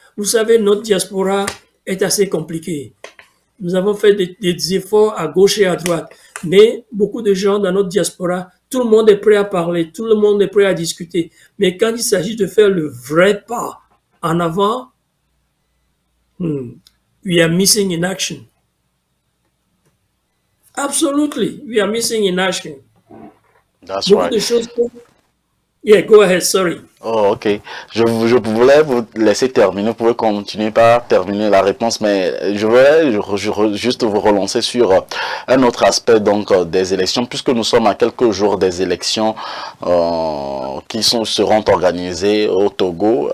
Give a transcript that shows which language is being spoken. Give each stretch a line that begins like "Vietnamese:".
French: Vous savez, notre diaspora est assez compliquée. Nous avons fait des efforts à gauche et à droite. Mais beaucoup de gens dans notre diaspora, tout le monde est prêt à parler, tout le monde est prêt à discuter. Mais quand il s'agit de faire le vrai pas en avant,
English: we are missing in action. Absolutely, we are missing in action.
French: Beaucoup
English: That's
French: de
English: right.
French: choses.
English: Yeah, go ahead, sorry. Oh, ok.
French: Je voulais vous laisser terminer. Vous pouvez continuer par terminer la réponse, mais je voulais juste vous relancer sur un autre aspect donc des élections, puisque nous sommes à quelques jours des élections seront organisées au Togo.